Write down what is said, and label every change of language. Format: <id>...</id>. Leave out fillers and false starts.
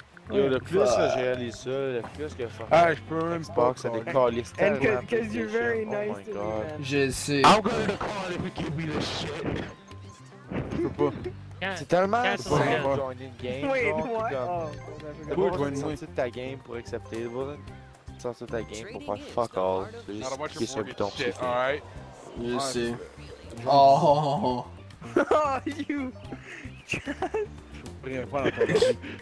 <fr>Yo, le plus que j'ai réalisé ça, le plus que fuck. Ah, je peux même pas que ça décolle, les</fr> <en>stats. And cause you're very nice to me, man.</en> <fr>Je sais.</fr> <en>I'm gonna call if you give me the shit.</en> <fr>Je peux pas. C'est tellement. C'est pas</fr> <en>joining game. Wait, what?</en> <fr>T'as pas besoin de sortir de ta game pour accepter, bro. Sortir de ta game pour faire</fr> <en>fuck all.</en> <fr>C'est juste cliquer sur le bouton pour s'y faire. Je sais. Oh, oh, oh.</fr> <en>Oh, you.</en> <fr>Je pourrais pas l'entendre.</fr>